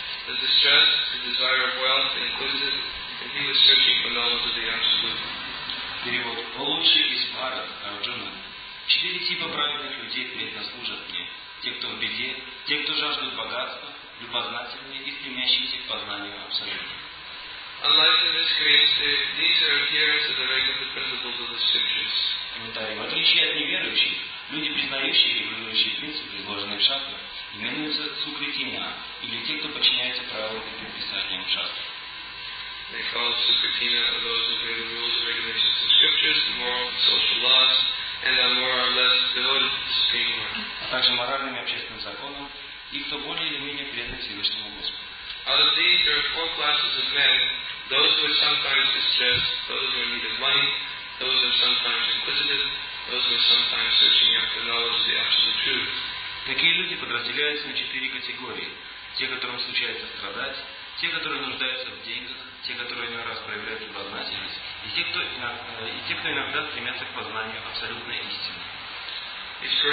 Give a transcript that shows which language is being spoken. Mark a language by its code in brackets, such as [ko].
[en] The distress, the desire of wealth, inquisitive, and he was searching for knowledge of the Absolute. [ru] Его лучший из братьев, Арджуна. Четыре типа праведных людей преданно служат мне. Те, кто в беде, те, кто жаждут богатства, любознательные и стремящиеся к познанию Абсолюта. [en] Unlike in this case, these are adherents of the regular principles of the scriptures. [ru] Комментарий. В отличие от неверующих, люди, признающие и регулирующие принципы, изложенные в шастре, именуются сукритиня, или те, кто подчиняется правилам и предписаниям шастры. [en] They call Sukritina those who obey the rules and regulations of scriptures, the moral and social laws, and are more or less devoted to the Supreme Lord. [ru] А также моральными общественным законом, и кто более или менее предан Всевышнему Господу. [en] Out of these, there are four classes of men, those who are sometimes distressed, those who are in need of money, those who are sometimes inquisitive, those who are sometimes searching after knowledge of the absolute truth. [ru] Такие люди подразделяются на четыре категории. Те, которым случается страдать, те, которые нуждаются в деньгах, те, которые иной раз проявляют любознательность, и те, кто иногда стремятся к познанию абсолютной истины.